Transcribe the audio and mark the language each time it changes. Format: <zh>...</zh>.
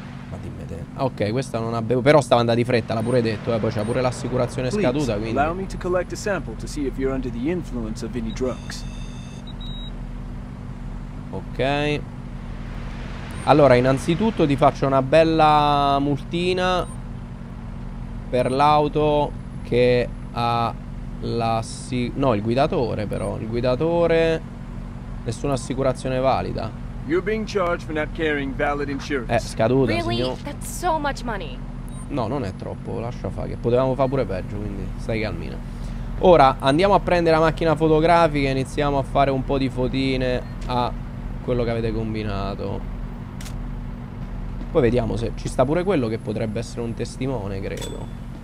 <it>Ma dimmi te. Ok, questa non avevo. Però stava andando di fretta, l'ha pure detto. Poi c'ha pure l'assicurazione scaduta, quindi.</it> <en>Allow me to collect a sample to see if you're under the influence of any drugs. Ok.</en> <it>Allora, innanzitutto ti faccio una bella multina per l'auto che ha no, il guidatore però. Il guidatore. Nessuna assicurazione valida.</it> <en>You're being charged for not carrying valid insurance.</en> <it>Scaduta,</it> <en>really?</en> <it>Signor.</it> <en>That's so much money.</en> <it>No, non è troppo, lascia fare. Che potevamo fare pure peggio, quindi stai calmina. Ora, andiamo a prendere la macchina fotografica e iniziamo a fare un po' di fotine a quello che avete combinato. Poi vediamo se ci sta pure quello che potrebbe essere un testimone, credo.</it>